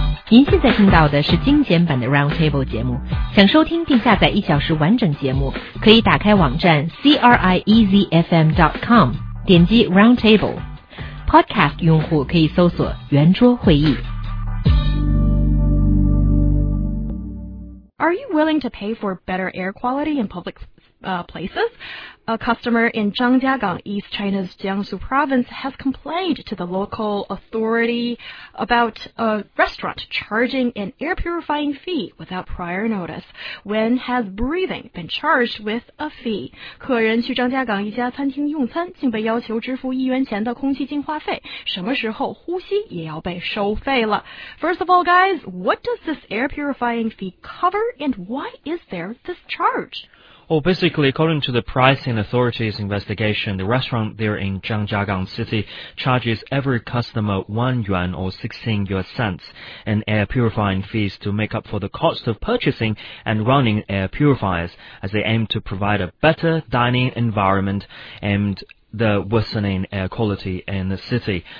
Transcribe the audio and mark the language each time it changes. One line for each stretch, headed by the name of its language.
Chinese: 您现在听到的是精简版的 Roundtable 节目，想收听并下载一小时完整节目，可以打开网站 CRIEZFM.com， 点击 Roundtable。 Podcast 用户可以搜索圆桌会议。
English: Are you willing to pay for better air quality in public places? A customer in Zhangjiagang, East China's Jiangsu province, has complained to the local authority about a restaurant charging an air purifying fee without prior notice. When has breathing been charged with a fee?
Chinese: 客人去张家港一家餐厅用餐，竟被要求支付一元钱的空气净化费。什么时候呼吸也要被收费了？
English: First of all, guys, what does this air purifying fee cover, and why is there this charge? Well, basically, according to the pricing authority's investigation, the restaurant there in Zhangjiagang City charges every customer 1 yuan or 16 US cents in air purifying fees to make up for the cost of purchasing and running air purifiers, as they aim to provide a better dining environment andthe worsening air quality in the city.